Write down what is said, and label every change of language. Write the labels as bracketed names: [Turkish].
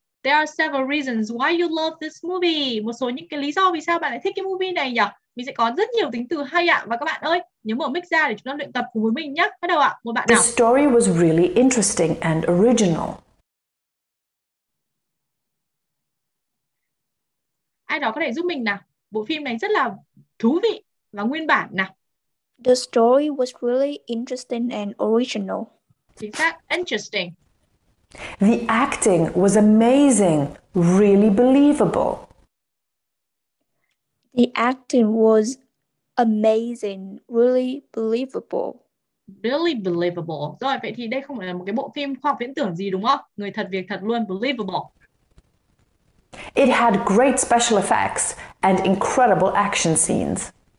[English] There are several reasons why you love this movie. [Vietnamese] Một số những cái lý do vì sao bạn lại thích cái movie này nhỉ? Mình sẽ có rất nhiều tính từ hay ạ. Và các bạn ơi, nhớ mở mic ra để chúng ta luyện tập cùng với mình nhá. Bắt đầu ạ. Một bạn nào. [English] The story was really interesting and original. [Vietnamese] Ai đó có thể giúp mình nào? Bộ phim này rất là thú vị và nguyên bản nào. [English] The story was really interesting and original. [Vietnamese] Chính xác, interesting. [English] The acting was amazing, really believable. The acting was amazing, really believable. Really believable. [Vietnamese] Rồi, vậy thì đây không phải là một cái bộ phim khoa học viễn tưởng gì đúng không? Người thật việc thật luôn, believable. [English] It had great special effects and incredible action scenes.